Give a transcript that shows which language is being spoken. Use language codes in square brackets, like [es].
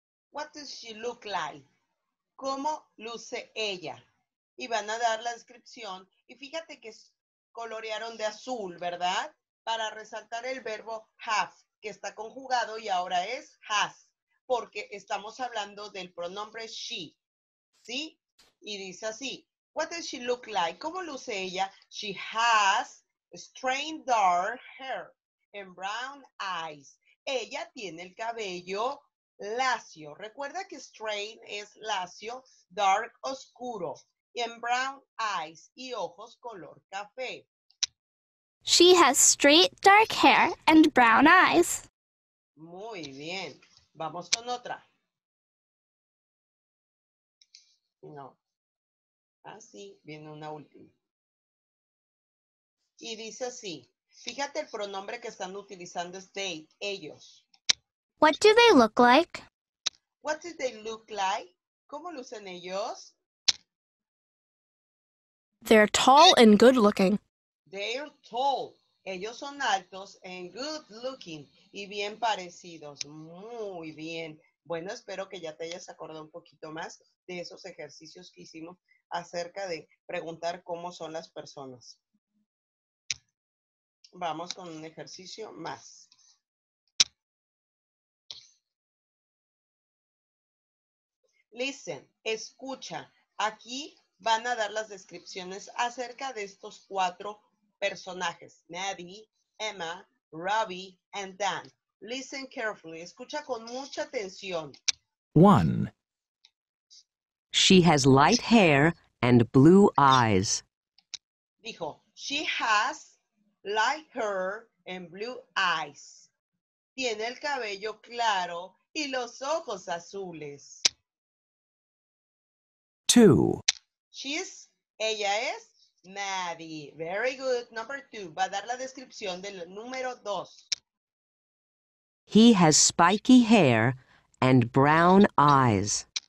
[en] What does she look like? [es] ¿Cómo luce ella? Y van a dar la descripción. Y fíjate que colorearon de azul, ¿verdad? Para resaltar el verbo have, que está conjugado y ahora es has, porque estamos hablando del pronombre she, ¿sí? Y dice así, [en] what does she look like? [es] ¿Cómo luce ella? [en] She has strain dark hair and brown eyes. [es] Ella tiene el cabello lacio. Recuerda que strain es lacio, dark oscuro, [en] and brown eyes [es] y ojos color café. [en] She has straight dark hair and brown eyes. [es] Muy bien. Vamos con otra. No. Así viene una última. Y dice así, fíjate el pronombre que están utilizando es they, ellos. [en] What do they look like? What do they look like? [es] ¿Cómo lucen ellos? [en] They're tall and good looking. They're tall. [es] Ellos son altos [en] and good looking [es] y bien parecidos. Muy bien. Bueno, espero que ya te hayas acordado un poquito más de esos ejercicios que hicimos acerca de preguntar cómo son las personas. Vamos con un ejercicio más. Listen, escucha. Aquí van a dar las descripciones acerca de estos cuatro personajes. [en] Maddie, Emma, Robbie, and Dan. Listen carefully. [es] Escucha con mucha atención. [en] One. She has light hair and blue eyes. Dijo, she has light hair and blue eyes. [es] Tiene el cabello claro y los ojos azules. [en] Two. [es] Ella es Maddie. [en] Very good. Number two. [es] Va a dar la descripción del número dos. [en] He has spiky hair and brown eyes.